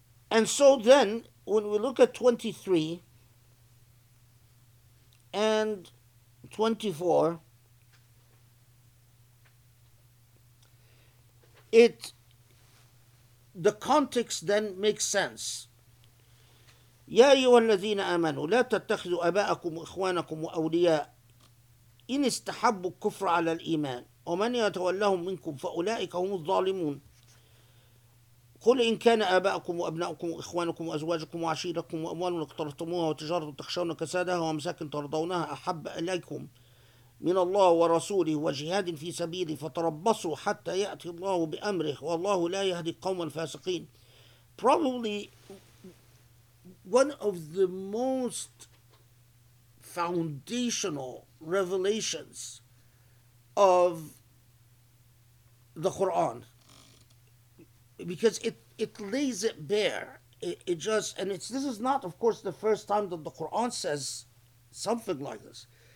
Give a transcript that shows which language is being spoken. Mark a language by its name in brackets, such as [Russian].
[English] And so then, when we look at 23 and 24, the context then makes sense. [Arabic] يَا أَيُّهَا الَّذِينَ آمَنُوا لَا تَتَّخِذُوا أَبَاءَكُمْ وَإِخْوَانَكُمْ وَأَوْلِيَاءَ إِنِ اسْتَحَبُّوا الْكُفْرَ عَلَى الْإِيمَانِ وَمَنْ يَتَوَلَّهُمْ مِنْكُمْ فَأُولَئِكَ هُمُ الظَّالِمُونَ قل إن كان آباءكم وأبناؤكم وإخوانكم وأزواجكم وعشيرتكم وأموال اقترفتموها وتجارة تخشون كسادها ومساكن ترضونها أحب إليكم من الله ورسوله وجهاد في سبيله فتربصوا حتى يأتي الله بأمره والله لا يهدي القوم الفاسقين. [English] Probably one of the most foundational revelations of the Quran. Because it lays it bare. This is not, of course, the first time that the Quran says something like this.